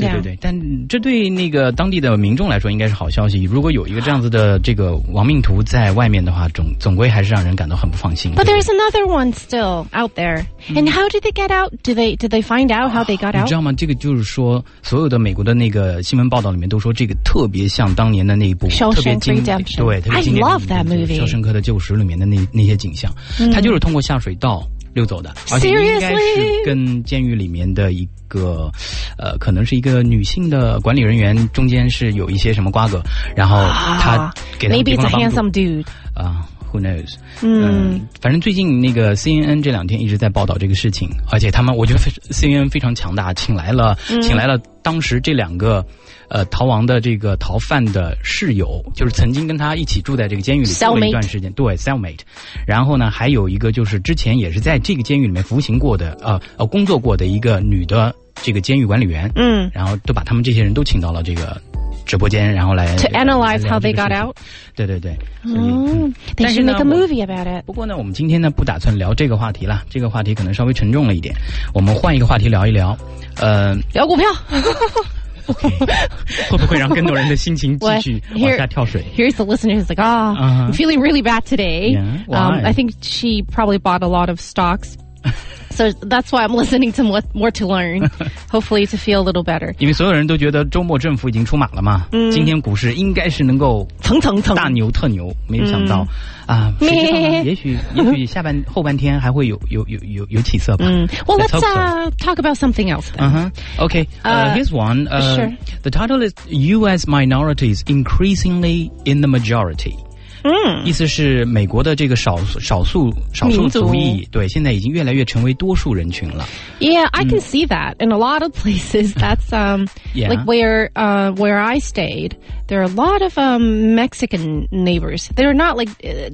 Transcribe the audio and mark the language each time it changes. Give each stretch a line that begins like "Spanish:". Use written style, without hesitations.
Chinese: 对对对，但这对那个当地的民众来说应该是好消息，如果有一个这样子的这个亡命徒在外面的话，总归还是让人感到很不放心。
English: But there's another one still out there. And how did they get out? Did they find out how they got out?
Chinese: 你知道吗，这个就是说所有的美国的那个新闻报道里面都说这个特别像当年的那一部特别经典
English: I love that movie，
Chinese: 肖申克的救赎里面的那些景象，他就是通过下水道溜走的，而且应该是跟监狱里面的一个可能是一个女性的管理人员中间是有一些什么瓜葛，然后他给他提供了帮助。
English: Maybe it's a handsome dude. Who knows.
Chinese: 反正最近那个 CNN 这两天一直在报道这个事情，而且他们我觉得 CNN 非常强大，请来了当时这两个逃亡的这个逃犯的室友，就是曾经跟他一起住在这个监狱里过了一段时间。
English: Cellmate.
Chinese: 对 ,cellmate。然后呢还有一个就是之前也是在这个监狱里面服刑过的工作过的一个女的这个监狱管理员。嗯，然后都把他们这些人都请到了这个直播间，然后来
English: to analyze how they got out。
Chinese: 对对对，
English: they should make a movie about it。
Chinese: 不过呢我们今天呢不打算聊这个话题了，这个话题可能稍微沉重了一点，我们换一个话题聊一聊聊股票。
English: Okay,
Chinese: 会不会让更多人的心情继续往下跳水？
English: Here's the listener who's like, oh, I'm feeling really bad today. Yeah, why? I think she probably bought a lot of stocks. So that's why I'm listening to more to learn. Hopefully to feel a little better.
Chinese: 因为所有人都觉得周末政府已经出马了嘛，今天股市应该是能够蹭蹭蹭大牛特牛，没有想到也许下半后半天还会有起色吧。
English: Well, let's talk about something else then. Okay, here's one. Sure. The title is U.S. Minorities Increasingly in the Majority.
Chinese: 意思是美国的这个少数族裔对现在已经越来越成为多数人群了。
English: Yeah, I can see that in a lot of places. That's like where I stayed, there are a lot of Mexican neighbors. They're not like directly